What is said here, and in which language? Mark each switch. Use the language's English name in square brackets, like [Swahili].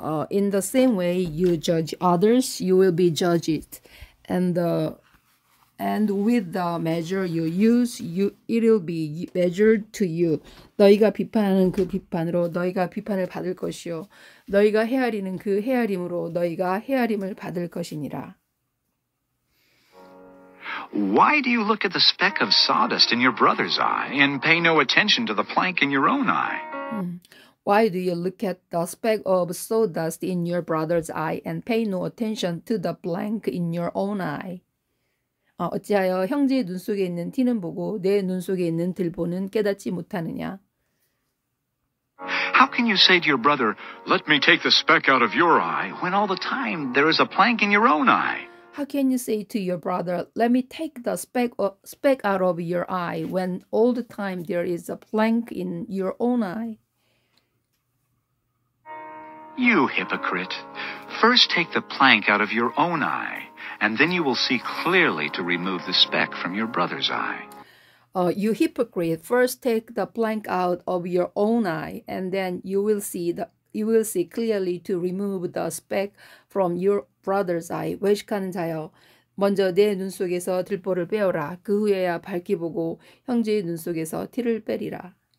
[English] In the same way you judge others, you will be judged. And with the measure you use, it'll be measured to you. [Korean] 너희가 비판하는 그 비판으로 너희가 비판을 받을 것이요. 너희가 헤아리는 그 헤아림으로 너희가 헤아림을 받을 것이니라. [English] Why do you look at the speck of sawdust in your brother's eye and pay no attention to the plank in your own eye? Why do you look at the speck of sawdust in your brother's eye and pay no attention to the plank in your own eye? [Korean] 어찌하여 형제의 눈 속에 있는 티는 보고 내 눈 속에 있는 들보는 깨닫지 못하느냐? [English] How can you say to your brother, "Let me take the speck out of your eye," when all the time there is a plank in your own eye? How can you say to your brother, "Let me take the speck out of your eye," when all the time there is a plank in your own eye? You hypocrite! First take the plank out of your own eye, and then you will see clearly to remove the speck from your brother's eye. You hypocrite! First take the plank out of your own eye, and then you will see clearly to remove the speck from your brother's eye. [Korean] 외식하는 자여, 먼저 내 눈 속에서 들보를 빼어라. 그 후에야 밝히 보고 형제의 눈 속에서 티를 빼리라.